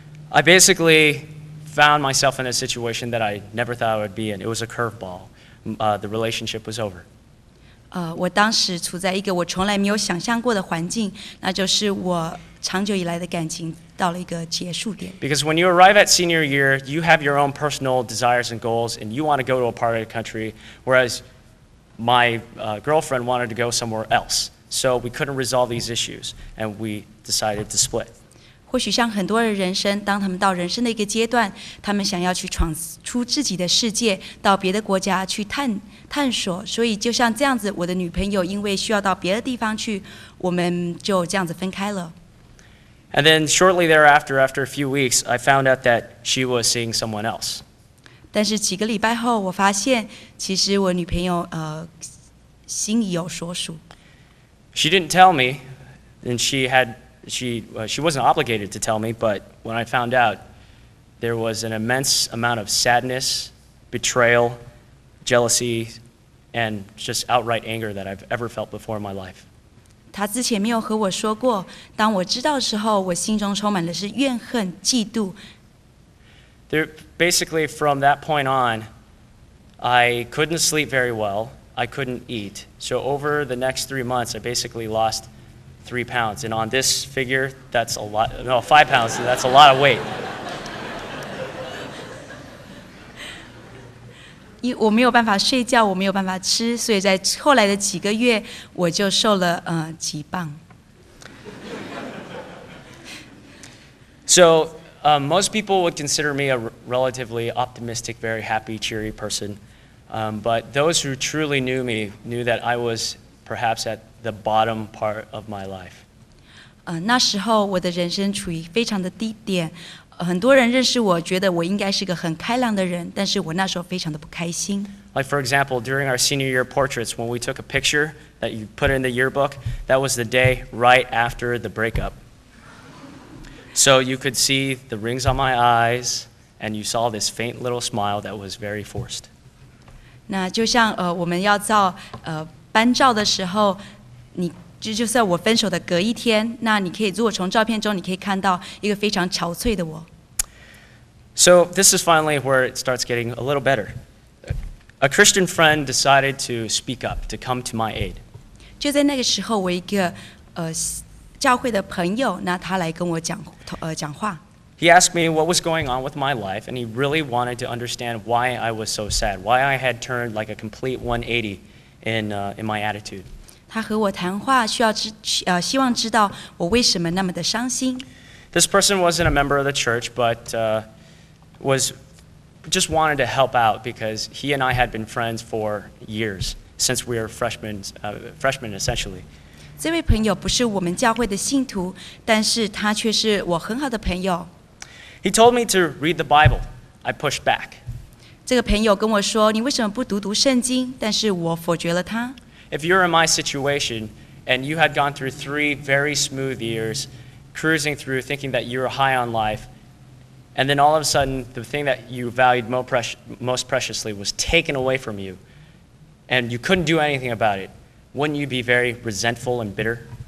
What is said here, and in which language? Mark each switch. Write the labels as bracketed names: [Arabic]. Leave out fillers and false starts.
[English] ，I basically found myself in a situation that I never thought I would be in. It was a curveball. The relationship was over. [Chinese] 我当时处在一个我从来没有想象过的环境，那就是我长久以来的感情到了一个结束点。 [English] Because when you arrive at senior year, you have your own personal desires and goals, and you want to go to a part of the country, whereas my girlfriend wanted to go somewhere else. So we couldn't resolve these issues, and we decided to split. [Chinese] 或许像很多人人生，当他们到人生的一个阶段，他们想要去闯出自己的世界，到别的国家去探索，所以就像这样子，我的女朋友因为需要到别的地方去，我们就这样子分开了。 [English] And then shortly thereafter, after a few weeks, I found out that she was seeing someone else. [Chinese] 但是几个礼拜后，我发现其实我女朋友心里有所属。 [English] She didn't tell me, and she wasn't obligated to tell me, but when I found out, there was an immense amount of sadness, betrayal. Jealousy and just outright anger that I've ever felt before in my life. [Chinese] 他之前没有和我说过。当我知道的时候，我心中充满的是怨恨、嫉妒。 [English] There, basically, from that point on, I couldn't sleep very well. I couldn't eat. So over the next 3 months, I basically lost 3 pounds. And on this figure, that's a lot. No, 5 pounds. That's a lot of weight. [Chinese] 因为我没有办法睡觉，我没有办法吃，所以在后来的几个月，我就瘦了几磅。 [English] So, most people would consider me a relatively optimistic, very happy, cheery person. But those who truly knew me knew that I was perhaps at the bottom part of my life. [Chinese] 那时候我的人生处于非常的低点。很多人认识我，觉得我应该是个很开朗的人，但是我那时候非常的不开心。 [English] Like for example, during our senior year portraits, when we took a picture that you put in the yearbook, that was the day right after the breakup. So you could see the rings on my eyes, and you saw this faint little smile that was very forced. [Chinese] 那就像我们要照班照的时候，你。就算我分手的隔一天，那你可以如果从照片中你可以看到一个非常憔悴的我。 [English] So this is finally where it starts getting a little better. A Christian friend decided to speak up to come to my aid. [Chinese] 就在那个时候，我一个教会的朋友，那他来跟我讲话。 [English] He asked me what was going on with my life, and he really wanted to understand why I was so sad, why I had turned like a complete 180 in my attitude. [Chinese] 他和我谈话需要希望知道我为什么那么的伤心。 [English] This person wasn't a member of the church, but was just wanted to help out because he and I had been friends for years since we were freshmen essentially. [Chinese] 这位朋友不是我们教会的信徒，但是他却是我很好的朋友。 [English] He told me to read the Bible. I pushed back. [Chinese] 这个朋友跟我说，你为什么不读圣经？但是我否决了他。 [English] If you're in my situation and you had gone through 3 very smooth years cruising through thinking that you were high on life and then all of a sudden the thing that you valued most preciously was taken away from you and you couldn't do anything about it, wouldn't you be very resentful and bitter?